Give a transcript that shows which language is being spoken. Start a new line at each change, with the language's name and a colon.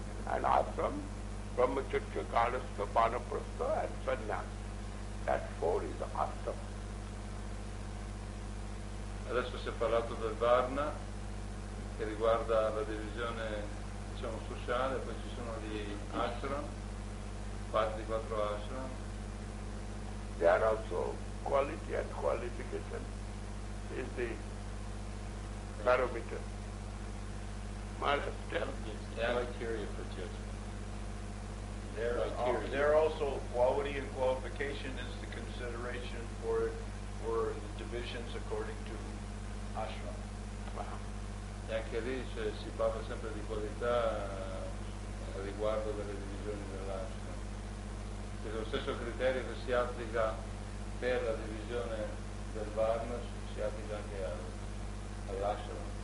English: And ashram, Brahmacharya, Garhastha, Vanaprastha, and Sannyas. That four is ashram.
Italian: Adesso si è parlato del Varna, che riguarda la divisione, diciamo, sociale, poi ci sono gli ashram, parte di quattro ashram.
English: There are also quality and qualification is the parameter. Maharaj, tell me. Yes, criteria for judgment. There are also quality and qualification is the consideration for the divisions according to ashram.
Italian: E anche lì, cioè, si parla sempre di qualità riguardo delle divisioni dell'ashram. C'è lo stesso criterio che si applica per la divisione del Varna, si applica anche all'ashram.